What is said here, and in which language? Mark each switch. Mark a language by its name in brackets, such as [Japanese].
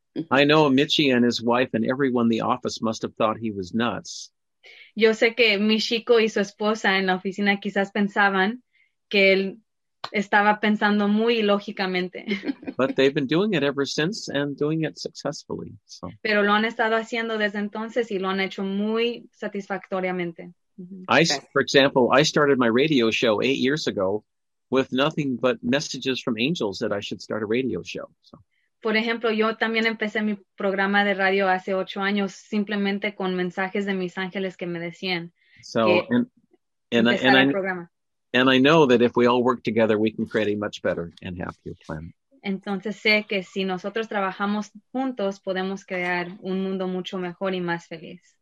[English] I know Michi and his wife and everyone in the office must have thought he was nuts. [Spanish] Yo sé que Michiko y su esposa en la oficina quizás pensaban que él estaba pensando muy ilógicamente. [English] But they've been doing it ever since and doing it successfully. So. [Spanish] Pero lo han estado haciendo desde entonces y lo han hecho muy satisfactoriamente. [English] I, for example, I started my radio show 8 years ago with nothing but messages from angels that I should start a radio show. So. [Spanish] Por ejemplo, yo también empecé mi programa de radio hace 8 años simplemente con mensajes de mis ángeles que me decían que empezara el programa. [English] And I know that if we all work together, we can create a much better and happier planet. [Spanish] Entonces sé que si nosotros trabajamos juntos, podemos crear un mundo mucho mejor y más feliz.